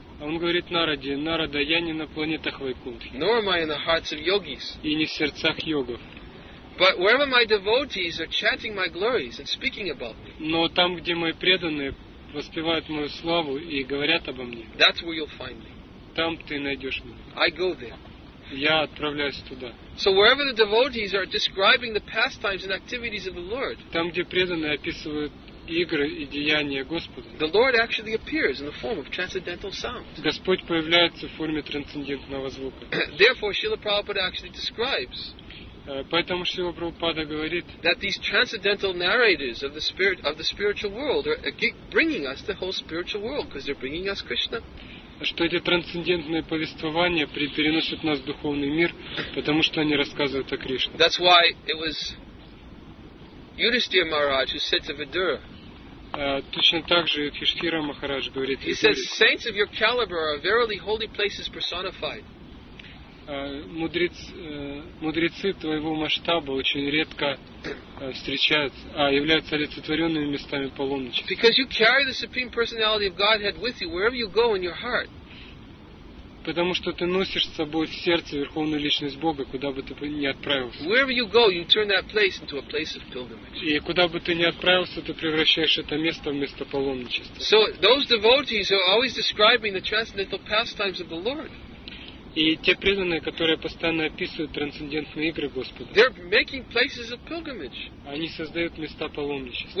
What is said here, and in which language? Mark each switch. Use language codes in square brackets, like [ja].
[ru] Он говорит Нараде, Нарада, я не на планетах Вайкунтхи. [en] Nor am I in the hearts of yogis. [ru] И не в сердцах йогов. [en] But wherever my devotees are chanting my glories and speaking about me. [ru] Но там, где мои преданные воспевают мою славу и говорят обо мне. [en] That's where you'll find me. [ru] Там ты найдешь меня. [en] I go there. [ru] Я отправляюсь туда. [en] So wherever the devotees are describing the pastimes and activities of the Lord. [ru] Там, где преданные описывают игры и деяния Господа. [en] The Lord actually appears in the form of transcendental sound. [ru] Господь появляется в форме трансцендентного звука. [en] Therefore, Srila Prabhupada actually describes. [ru] Поэтому Шрила Прабхупада говорит, [en] that these transcendental narrators of the spirit of the spiritual world are bringing us the whole spiritual world because they're bringing us Krishna. [ru] Что эти трансцендентные повествования переносят нас в духовный мир, потому что они рассказывают о Кришне. [en] That's why it was Yudhisthira Maharaj who said to Vidura. [ru] Точно так же Юдхиштхира Махарадж говорит. [en] He says, saints of your caliber are verily holy places personified. [ru] Мудрецы твоего масштаба очень редко встречаются, являются олицетворенными местами паломничества. [en] Because you carry the supreme personality of Godhead with you wherever you go in your heart. [ru] Потому что ты носишь с собой в сердце верховную личность Бога, куда бы ты ни отправился. [en] Wherever you go, you turn that place into a place of pilgrimage. [ru] И куда бы ты ни отправился, ты превращаешь это место в место паломничества. [en] So those devotees are always describing the transcendental pastimes of the Lord. [ru] И те преданные, которые постоянно описывают трансцендентные игры Господа. [en] They're making places of pilgrimage. [ru] Они создают места паломничества.